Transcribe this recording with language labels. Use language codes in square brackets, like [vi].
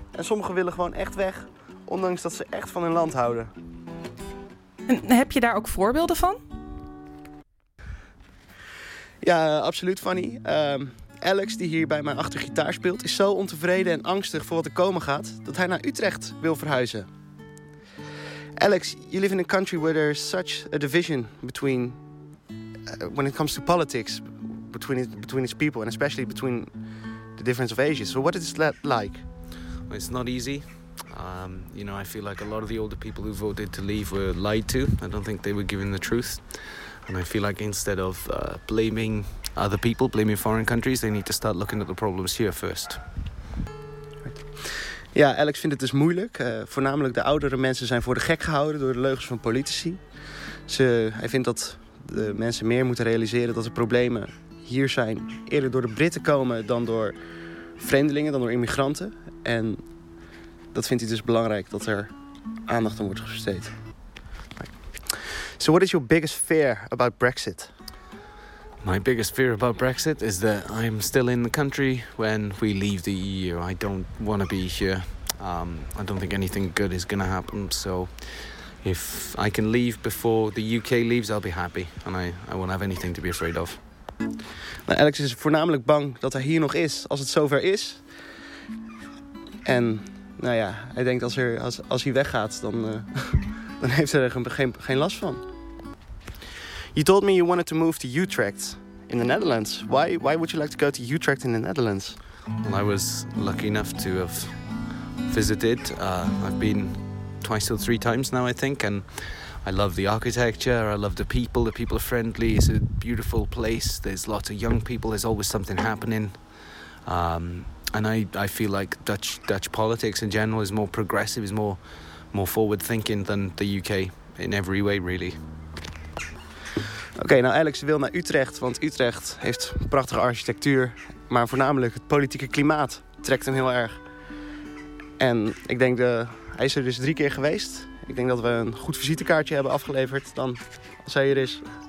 [nl] En sommigen willen gewoon echt weg, ondanks dat ze echt van hun land houden. En heb je daar ook voorbeelden van? Ja, absoluut, Fanny. Alex, die hier bij mij achter gitaar speelt, is zo ontevreden en angstig voor wat er komen gaat, dat hij naar Utrecht wil verhuizen. [en] Alex, you live in a country where there's such a division between, when it comes to politics, between its people, and especially between the difference of ages. So what is that like? Well, it's not easy. You know, I feel like a lot of the older people who voted to leave were lied to. I don't think they were given the truth. And I feel like instead of blaming other people, blaming foreign countries, they need to start looking at the problems here first. [nl] Ja, Alex vindt het dus moeilijk. Voornamelijk de oudere mensen zijn voor de gek gehouden door de leugens van politici. Hij vindt dat de mensen meer moeten realiseren dat de problemen hier zijn eerder door de Britten komen dan door vreemdelingen, dan door immigranten. En dat vindt hij dus belangrijk, dat er aandacht aan wordt besteed. [en] So what is your biggest fear about Brexit? My biggest fear about Brexit is that I'm still in the country when we leave the EU. I don't want to be here. I don't think anything good is going to happen. So if I can leave before the UK leaves, I'll be happy. And I won't have anything to be afraid of. [nl] Nou, Alex is voornamelijk bang dat hij hier nog is als het zover is. En nou ja, hij denkt als hij weggaat, dan heeft hij er geen last van. [en] You told me you wanted to move to Utrecht in the Netherlands. Why would you like to go to Utrecht in the Netherlands? Well, I was lucky enough to have visited. I've been twice or three times now, I think, and I love the architecture, I love the people. The people are friendly, it's a beautiful place. There's lots of young people, there's always something happening. And I feel like Dutch politics in general is more progressive, is more forward-thinking than the UK in every way, really. [nl] Oké, nou Alex wil naar Utrecht, want Utrecht heeft prachtige architectuur. Maar voornamelijk het politieke klimaat trekt hem heel erg. En ik denk, hij is er dus 3 keer geweest. Ik denk dat we een goed visitekaartje hebben afgeleverd dan als hij er is.